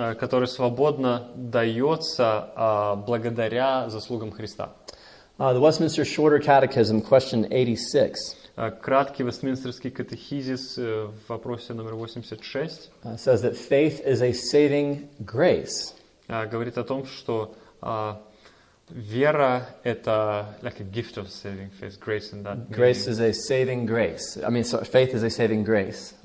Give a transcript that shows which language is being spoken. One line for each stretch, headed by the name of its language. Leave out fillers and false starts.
Russian: который свободно дается благодаря заслугам Христа.
English: The Westminster Shorter Catechism, question 86.
Russian: Краткий Вестминстерский катехизис в вопросе номер 86
English: says that faith is a saving grace.
Russian: Говорит о том, что вера это
English: like a gift of saving faith, grace in that. Grace meaning. Is a saving grace. I mean, so faith is a saving grace.